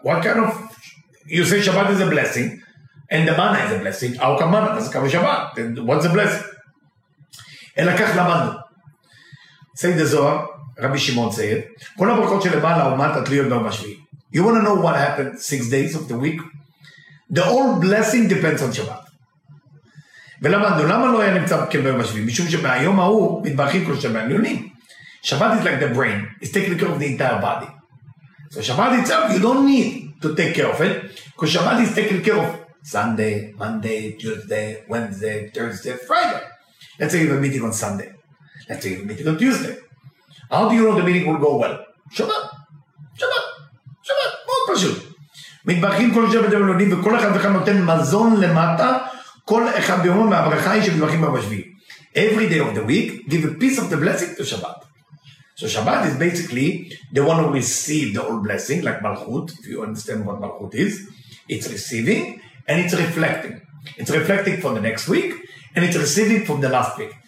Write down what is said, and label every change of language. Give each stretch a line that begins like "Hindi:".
English: What kind of, you say Shabbat is a blessing, and the manna is a blessing. How come manna doesn't come with Shabbat? Then what's a blessing?
Hebrew: Elakach lamanu.
English: Say the Zohar, Rabbi Shimon said,
Hebrew: kol ha-brachot she lemala umat atliyot ba'om ha-shvi.
English: You want to know what happened 6 days of the week? The whole blessing depends on Shabbat.
Hebrew: ולמדנו, למה לא היה נמצא כביום השביעי? משום שמהיום ההוא מתברכים כל שבעה עליונים.
English: Shabbat is like the brain. It's taking care of the entire body. So Shabbat itself, you don't need to take care of it, because Shabbat is taking care of Sunday, Monday, Tuesday, Wednesday, Thursday, Friday. Let's say you have a meeting on Sunday. Let's say you have a meeting on Tuesday. How do you know the meeting will go well?
Hebrew: Shabbat. מאוד פשוט. מתברכים כל שבעה עליונים, וכל אחד וכן נותן מזון למטה, כל אחד ביום מהברכה היא שמתברכים במשביעי.
English: Every day of the week, give a piece of the blessing to Shabbat. So Shabbat is basically the one who receives the whole blessing, like Malchut, if you understand what Malchut is. It's receiving and it's reflecting. It's reflecting for the next week and it's receiving from the last week.